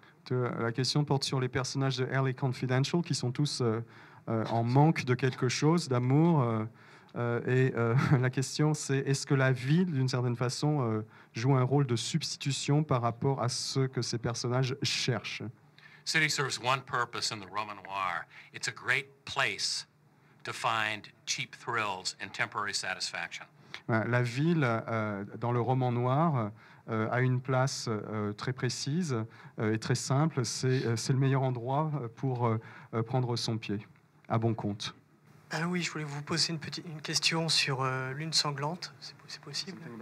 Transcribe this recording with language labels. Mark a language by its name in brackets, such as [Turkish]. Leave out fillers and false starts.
[French] La question porte sur les personnages de L.A. Confidential qui sont tous en manque de quelque chose, d'amour. La question, c'est est-ce que la ville, d'une certaine façon, joue un rôle de substitution par rapport à ce que ces personnages cherchent? [English] City serves one purpose in the Roman noir. It's a great place to find cheap thrills and temporary satisfaction. [French] La ville, dans le roman noir, a une place très précise et très simple. C'est le meilleur endroit pour prendre son pied à bon compte. Ah oui, je voulais vous poser une question sur Lune sanglante. C'est possible?